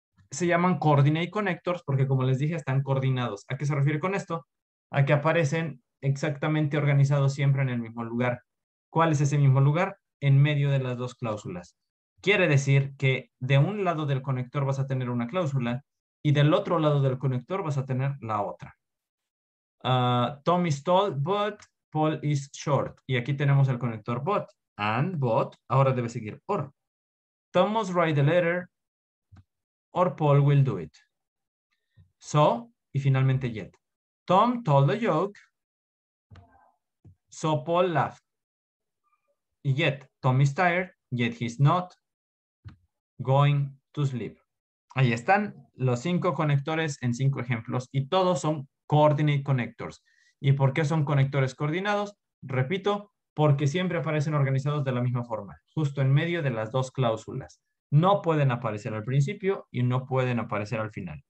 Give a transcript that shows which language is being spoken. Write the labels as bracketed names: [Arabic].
[Spanish] Se llaman coordinate connectors porque, como les dije, están coordinados. ¿A qué se refiere con esto? A que aparecen exactamente organizados siempre en el mismo lugar. ¿Cuál es ese mismo lugar? En medio de las dos cláusulas. Quiere decir que de un lado del conector vas a tener una cláusula y del otro lado del conector vas a tener la otra. [English] Tom is tall, but Paul is short. [Spanish] Y aquí tenemos el conector but. And, but, ahora debe seguir or. [English] Tom must write the letter. Or Paul will do it. So, [Spanish] y finalmente yet. [English] Tom told joke. So Paul laughed. Yet, Tom is tired. Yet he's not going to sleep. [Spanish] Ahí están los cinco conectores en cinco ejemplos y todos son coordinate connectors. ¿Y por qué son conectores coordinados? Repito, porque siempre aparecen organizados de la misma forma, justo en medio de las dos cláusulas. No pueden aparecer al principio y no pueden aparecer al final.